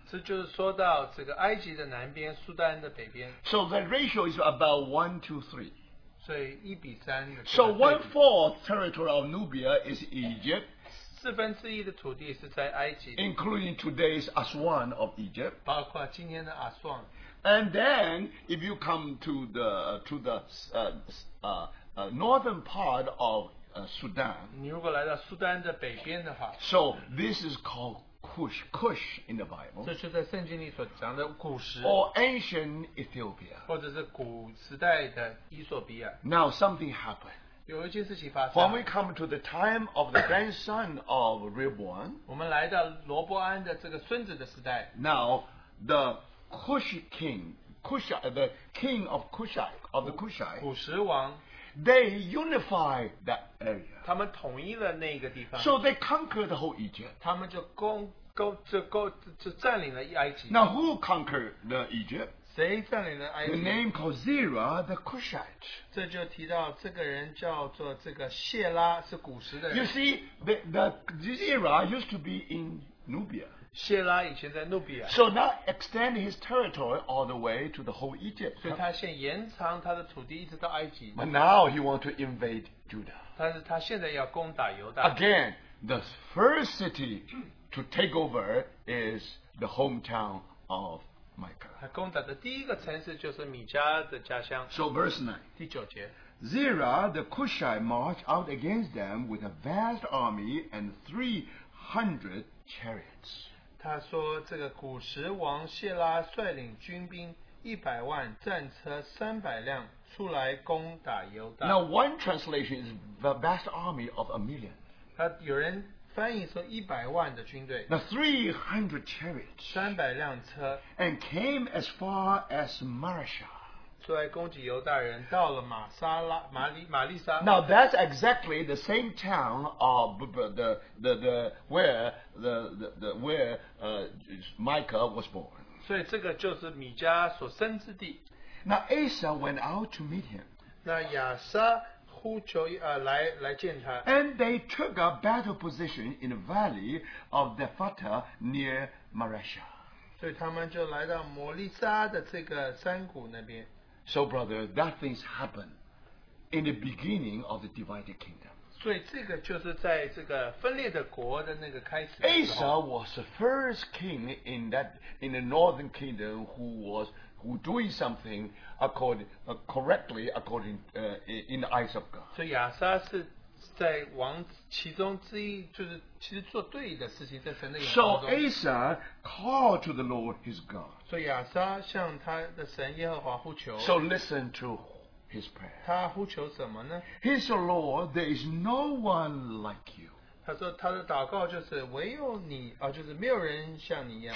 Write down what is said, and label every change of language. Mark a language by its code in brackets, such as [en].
[zh] 这就是说到这个埃及的南边，苏丹的北边。 [en] So the ratio is about 1:3. [zh] 所以一比三。 [en] So 1/4 territory of Nubia is Egypt. [zh] 四分之一的土地是在埃及。 [en] Including today's Aswan of Egypt. [zh] 包括今天的阿斯旺。 [en] And then if you come to the northern part of Sudan. [zh] 你如果来到苏丹的北边的话。 [en] So this is called Cush in the Bible. [zh] 这是在圣经里所讲的古时。 [en] Or ancient Ethiopia. [zh] 或者是古时代的以索比亚。 [en] Now something happened. [zh] 有一件事情发生。 [en] When we come to the time of the grandson of Rehoboam, [zh] 我们来到罗伯安的这个孙子的时代。 [en] Now the Cush king, Cush, the king of Cushai, of the Cushai, [zh] 古实王。 [en] They unify that area. [zh] 他们统一了那个地方。 [en] So they conquered the whole Egypt. [zh] 他们就占领了埃及。 [en] Now who conquered the Egypt? [zh] 谁占领了埃及？ [en] The name called Zerah the Cushite. [zh] 这就提到这个人叫做这个谢拉，是古时的人。 [en] You see, the Zerah used to be in Nubia. [zh] 谢拉以前在努比亚。 [en] So now extend his territory all the way to the whole Egypt. [zh] 所以他现在延长他的土地一直到埃及。 [en] But now he want to invade Judah. [zh] 但是他现在要攻打犹大。 [en] Again, the first city to take over is the hometown of. [zh] 他攻打的第一个城市就是米迦的家乡。 [en] So verse 9. [zh] 第九节。 [en] Zerah the Cushite marched out against them with a vast army and 300 chariots. [zh] 他说这个古实王谢拉率领军兵100万战车300辆出来攻打犹大。 [en] Now one translation is the vast army of a million. [zh] 他有人翻译说一百万的军队。 [en] Now 300 chariots. [zh] 三百辆车。 [en] And came as far as Marasha. [zh] 出来攻击犹大人，到了玛莎拉玛丽莎。 [en] Now that's exactly the same town of where Micah was born. [zh] 所以这个就是米迦所生之地。 [en] Now Asa went out to meet him. [zh] 那亚撒。呼求来见他。 [en] And they took a battle position in the valley of the Fata near Maresha. [zh] 所以他们就来到摩利沙的这个山谷那边。 [en] So brother, that things happened in the beginning of the divided kingdom. [zh] 所以这个就是在这个分裂的国的那个开始。 [en] Asa was the first king in the northern kingdom who doing something correctly according in the eyes of God. [zh] 所以亚撒是在王其中之一，就是其实做对的事情，在神的眼中。 [en] So Asa called to the Lord his God. [zh] 所以亚撒向他的神耶和华呼求。 [en] So listen to his prayer. [zh] 他呼求什么呢？ [en] He said, Lord, there is no one like you. [zh] 他说他的祷告就是唯有你啊，就是没有人像你一样。